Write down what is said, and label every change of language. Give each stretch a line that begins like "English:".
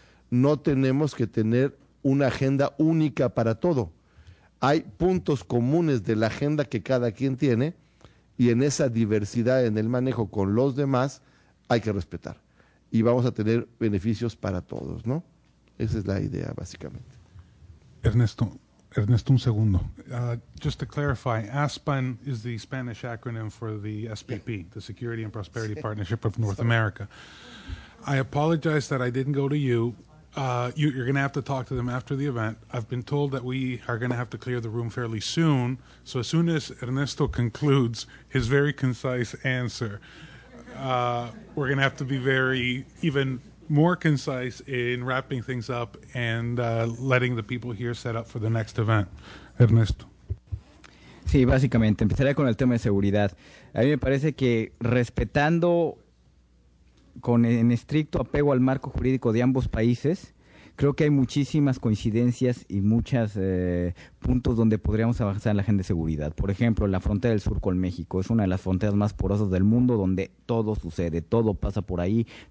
Spanish: No tenemos que tener una agenda única para todo. Hay puntos comunes de la agenda que cada quien tiene y en esa diversidad en el manejo con los demás hay que respetar. Y vamos a tener beneficios para todos, ¿no? Esa es la idea, básicamente. Ernesto, un segundo.
English: Just to clarify, ASPAN is the Spanish acronym for the SPP, the Security and Prosperity Partnership of North America. I apologize that I didn't go to you. You're going to have to talk to them after the event. I've been told that we are going to have to clear the room fairly soon. So as soon as Ernesto concludes his very concise answer, we're going to have to be very, even more concise in wrapping things up and letting the people here set up for the next event. Ernesto.
Spanish: Sí, básicamente. Empezaré con el tema de seguridad. A mí me parece que respetando con en estricto apego al marco jurídico de ambos países, creo que hay muchísimas coincidencias y muchos puntos donde podríamos avanzar en la agenda de seguridad. Por ejemplo, la frontera del sur con México es una de las fronteras más porosas del mundo, donde todo sucede, todo pasa por ahí.